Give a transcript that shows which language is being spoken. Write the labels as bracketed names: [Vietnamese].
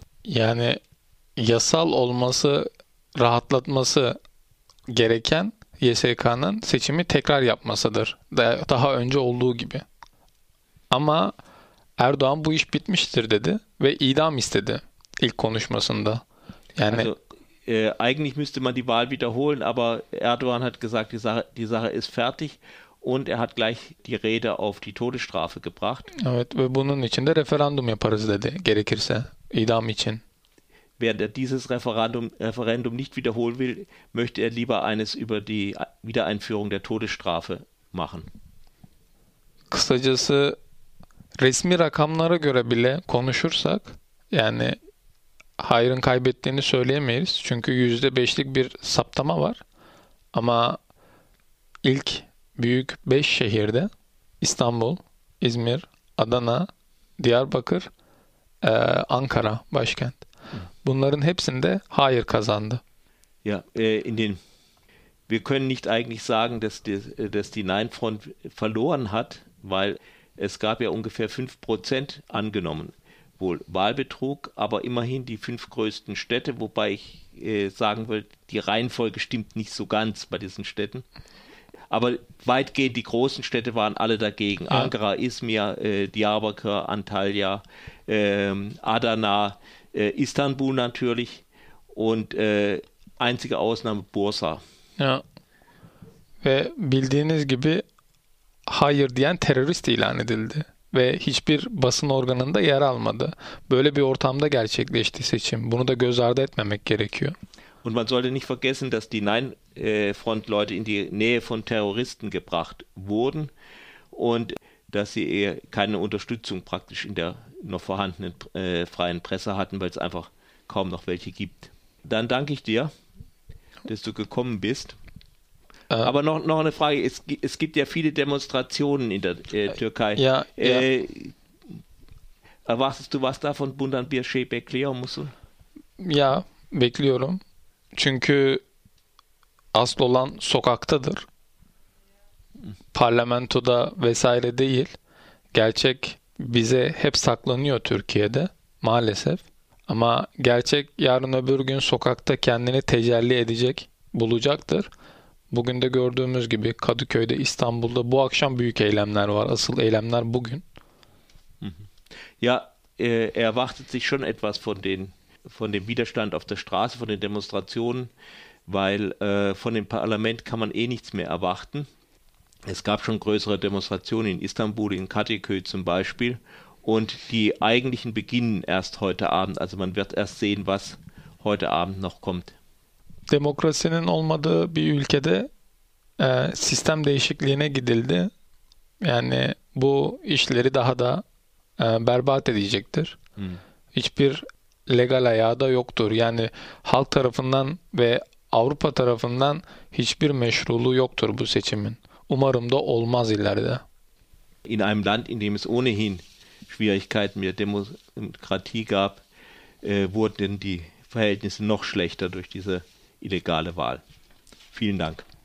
[Turkish] Yani yasal olması, rahatlatması gereken YSK'nın seçimi tekrar yapmasıdır. Daha önce olduğu gibi. Ama Erdoğan bu iş bitmiştir dedi ve idam istedi ilk konuşmasında. [German] Yani also, eigentlich müsste man die Wahl wiederholen, aber Erdoğan hat gesagt, die Sache ist fertig und er hat gleich die Rede auf die Todesstrafe gebracht. [Turkish] Evet, ve bunun için de referandum yaparız dedi gerekirse idam için. [German] Während er dieses Referendum nicht wiederholen will, möchte er lieber eines über die Wiedereinführung der Todesstrafe machen. [Turkish] Kısacası resmi rakamlara göre bile konuşursak, yani hayrın kaybettiğini söyleyemeyiz. Çünkü %5'lik bir saptama var. Ama ilk büyük 5 şehirde İstanbul, İzmir, Adana, Diyarbakır, Ankara başkent. Bunların hepsinde hayır kazandı. [German] Ja, in den wir können nicht eigentlich sagen, dass die Nein Front verloren hat, weil es gab ja ungefähr 5% angenommen, wohl Wahlbetrug, aber immerhin die 5 größten Städte, wobei ich sagen will, die Reihenfolge stimmt nicht so ganz bei diesen Städten. Aber weitgehend die großen Städte waren alle dagegen. Ja. Ankara, İzmir, Diyarbakır, Antalya, Adana, İstanbul natürlich und einzige Ausnahme Bursa. Ja. [Turkish] Ve bildiğiniz gibi hayır diyen terörist ilan edildi ve hiçbir basın organında yer almadı. Böyle bir ortamda gerçekleşti seçim. Bunu da göz ardı etmemek gerekiyor. [German] Und man sollte nicht vergessen, dass die Nein Front Leute in die Nähe von Terroristen gebracht wurden und dass sie keine Unterstützung praktisch in der noch vorhandenen freien Presse hatten, weil es einfach kaum noch welche gibt. Dann danke ich dir, dass du gekommen bist. Aber noch eine Frage. Es gibt ja viele Demonstrationen in der Türkei. Ja, erwartest du was davon, [Turkish] Bundan bir şey bekliyor musun? Ja, bekliyorum. Çünkü asıl olan sokaktadır. Parlamentoda vesaire değil. Gerçek bize hep saklanıyor Türkiye'de maalesef. Ama gerçek yarın öbür gün sokakta kendini tecelli edecek, bulacaktır. Bugün de gördüğümüz gibi Kadıköy'de, İstanbul'da bu akşam büyük eylemler var. Asıl eylemler bugün. [German] Ja, erwartet sich schon etwas von dem Widerstand auf der Straße, von den Demonstrationen, weil von dem Parlament kann man nichts mehr erwarten. Es gab schon größere Demonstrationen in Istanbul, in Kadıköy zum Beispiel. Und die eigentlichen beginnen erst heute Abend. Also man wird erst sehen, was heute Abend noch kommt. [Turkish] Demokrasinin olmadığı bir ülkede sistem değişikliğine gidildi. Yani bu işleri daha da berbat edecektir. Hiçbir legal ayağı da yoktur. Yani halk tarafından ve Avrupa tarafından hiçbir meşruluğu yoktur bu seçimin. Umarım da olmaz ileride. [German] In einem Land, in dem es ohnehin Schwierigkeiten mit der Demokratie gab, wurden die Verhältnisse noch schlechter durch diese illegale Wahl. Vielen Dank.